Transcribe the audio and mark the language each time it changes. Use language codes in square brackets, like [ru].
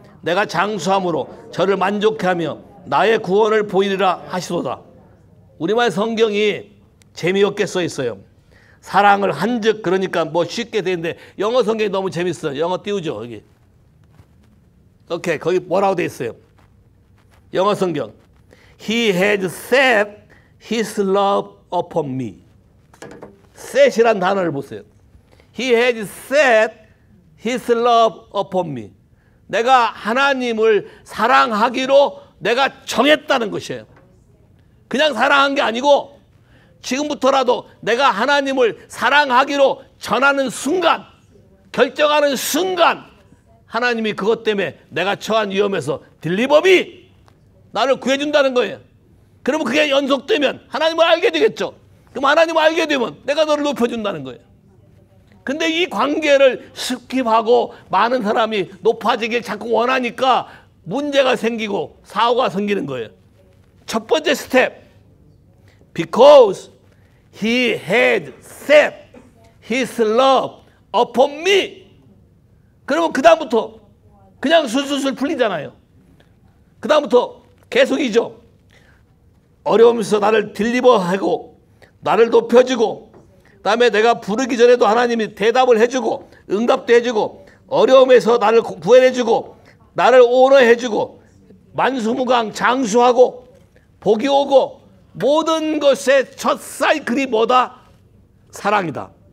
[ko] 내가 장수함으로 저를 만족해하며 나의 구원을 보이리라 하시도다. 우리말 성경이 재미없게 써 있어요. 사랑을 한즉 그러니까 뭐 쉽게 되는데 영어 성경이 너무 재밌어. 영어 띄우죠 여기. 오케이 거기 뭐라고 돼 있어요? 영어 성경. [en] He has set his love upon me. [ko] Set이란 단어를 보세요. [en] He has set his love upon me. [ko] 내가 하나님을 사랑하기로 내가 정했다는 것이에요. 그냥 사랑한 게 아니고 지금부터라도 내가 하나님을 사랑하기로 전하는 순간, 결정하는 순간 하나님이 그것 때문에 내가 처한 위험에서 딜리버비 나를 구해준다는 거예요. 그러면 그게 연속되면 하나님을 알게 되겠죠. 그럼 하나님을 알게 되면 내가 너를 높여준다는 거예요. 근데 이 관계를 스킵하고 많은 사람이 높아지길 자꾸 원하니까 문제가 생기고 사고가 생기는 거예요. 첫 번째 스텝. [en] Because he had set his love upon me. [ko] 그러면 그 다음부터 그냥 술술술 풀리잖아요. 그 다음부터 계속이죠. 어려움에서 나를 딜리버하고 나를 높여주고 그 다음에 내가 부르기 전에도 하나님이 대답을 해주고 응답도 해주고 어려움에서 나를 구해내주고 나를 오너해주고 만수무강 장수하고 복이 오고 모든 것의 첫 사이클이 뭐다? 사랑이다.